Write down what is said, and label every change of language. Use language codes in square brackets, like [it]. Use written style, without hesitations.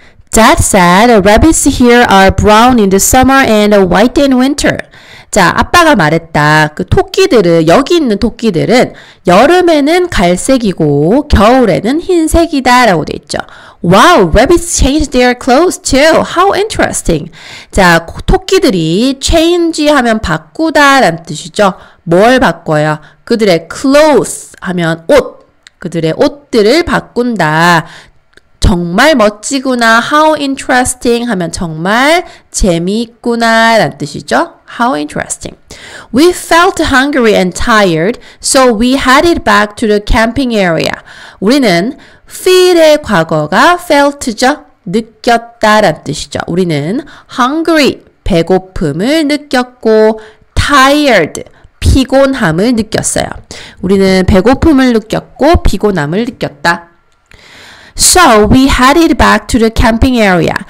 [en] Dad said rabbits here are brown in the summer and white in winter. [ko] 자, 아빠가 말했다. 그 토끼들은, 여기 있는 토끼들은 여름에는 갈색이고 겨울에는 흰색이다 라고 돼 있죠. [en] Wow, rabbits change their clothes too. How interesting. [ko] 자, 토끼들이 change 하면 바꾸다 라는 뜻이죠. 뭘 바꿔요? 그들의 clothes 하면 옷. 그들의 옷들을 바꾼다. 정말 멋지구나. [en] How interesting [ko] 하면 정말 재미있구나 라는 뜻이죠. How interesting. [en] We felt hungry and tired, so we headed back to the camping area. [ko] 우리는 feel의 과거가 felt죠. 느꼈다 라는 뜻이죠. 우리는 hungry, 배고픔을 느꼈고 tired, 피곤함을 느꼈어요. 우리는 배고픔을 느꼈고 피곤함을 느꼈다. [en] So we headed back to the camping area.